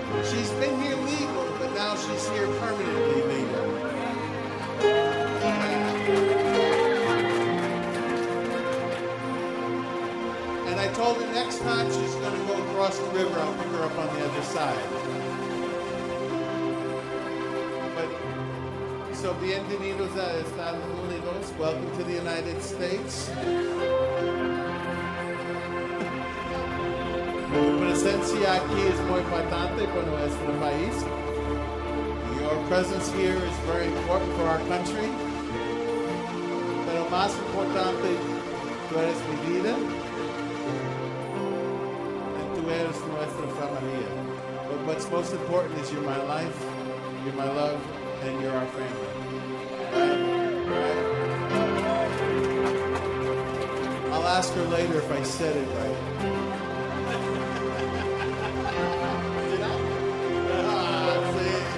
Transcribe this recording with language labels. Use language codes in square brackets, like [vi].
[en] She's been here legal, but now she's here permanently legal. And I told her next time she's going to go across the river, I'll pick her up on the other side. [es] So bienvenidos a Estados Unidos. [en] Welcome to the United States. [es] Presencia aquí es muy importante para nuestro país. [en] Your presence here is very important for our country. [es] Pero más importante, tú eres mi vida. Y tú eres nuestra familia. [en] But what's most important is you're my life, you're my love, and you're our family. I'll ask her later if I said it right. Did I? Ah, see.